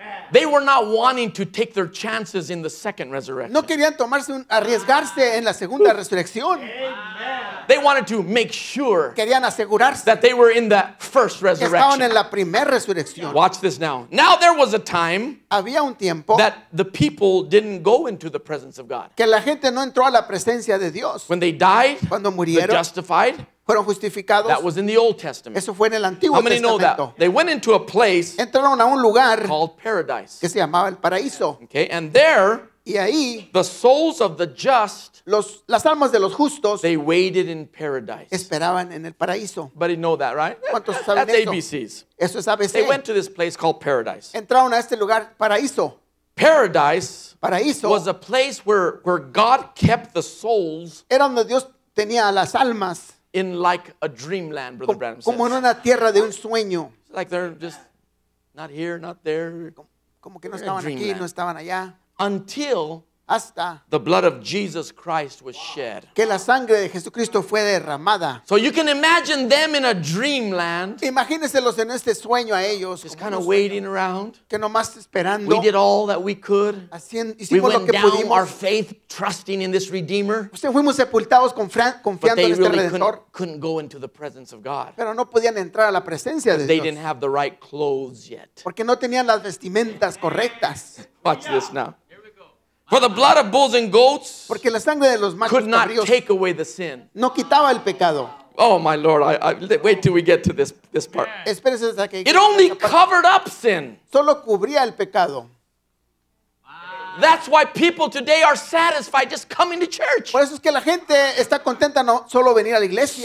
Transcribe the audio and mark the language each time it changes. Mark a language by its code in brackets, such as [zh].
[en] They were not wanting to take their chances in the second resurrection. [es] No querían tomarse arriesgarse en la segunda resurrección. [en] They wanted to make sure. [es] Querían asegurarse [en] that they were in the first resurrection. [es] Estaban en la primera resurrección. [en] Watch this now. Now there was a time. [es] Había un tiempo [en] that the people didn't go into the presence of God. [es] Que la gente no entró a la presencia de Dios. [en] When they died, [es] cuando murieron, [en] justified. [es] Fueron justificados. [en] That was in the Old Testament. [es] Eso fue en el Antiguo [en] How many [es] Testamento? [en] Know that? They went into a place. [es] Entraron a un lugar [en] called paradise. [es] Que se llamaba el paraíso. [en] Okay, and there. [es] Y ahí. [en] The souls of the just. [es] Las almas de los justos. [en] They waited in paradise. [es] Esperaban en el paraíso. [en] But you know that, right? [es] ¿Cuántos saben eso? [en] That's ABCs. [es] Eso es ABC. [en] They went to this place called paradise. [es] Entraron a este lugar paraíso. [en] Paradise. [es] Paraíso. [en] Was a place where God kept the souls. [es] Era donde Dios tenía a las almas. [en] In like a dreamland, Brother [es] como, [en] Branham says. [es] Como en una tierra de un sueño. [en] It's like they're just not here, not there. [es] Como que no estaban aquí, no estaban allá. [en] Until [es] hasta [en] the blood of Jesus Christ was shed. [es] Que la sangre de Jesucristo fue derramada. [en] So you can imagine them in a dreamland. [es] Imagíneselos en este sueño a ellos. [en] Just kind of waiting around. [es] Que nomás esperando. [en] We did all that we could. [es] Hicimos lo que pudimos. [en] We went down our faith trusting in this Redeemer. [es] Fuimos sepultados confiando en este Redentor. [en] Couldn't go into the presence of God. [es] Pero no podían entrar a la presencia de Dios. [en] They didn't have the right clothes yet. [es] Porque no tenían las vestimentas correctas. [en] Watch this now. For the blood of bulls and goats [es] porque la sangre de los machos [en] could not take away the sin. [es] No quitaba el pecado. [en] Oh my Lord, I wait till we get to this part. [es] Espérese hasta que [en] it only covered up sin. [es] Solo cubría el pecado. [en] That's why people today are satisfied just coming to church. [es] Por eso es que la gente está contenta no solo venir a la iglesia.